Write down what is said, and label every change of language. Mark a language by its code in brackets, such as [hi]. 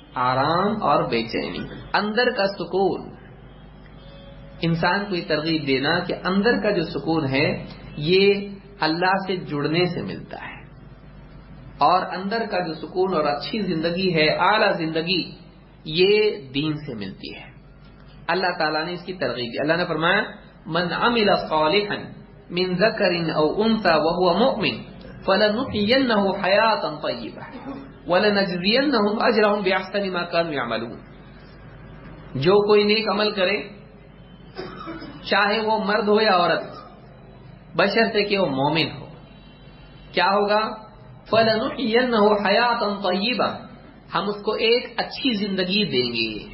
[ur] آرام اور بے چینی، اندر کا سکون. انسان کو یہ ترغیب دینا کہ اندر کا جو سکون ہے یہ اللہ سے جڑنے سے ملتا ہے، اور اندر کا جو سکون اور اچھی زندگی ہے، اعلیٰ زندگی، یہ دین سے ملتی ہے. اللہ تعالیٰ نے اس کی ترغیب دی. اللہ نے فرمایا [ar] من عمل صالحا من ذکر او انثى وهو مؤمن فلنحيينه حياة طيبة ولنجزينهم اجرهم باحسن ما كانوا يعملون. [ur] جو کوئی نیک عمل کرے، چاہے وہ مرد ہو یا عورت، بشرطیکہ وہ مومن ہو، کیا ہوگا؟ [ar] فلنحيينه حياة طيبة، [ur] ہم اس کو ایک اچھی زندگی دیں گے.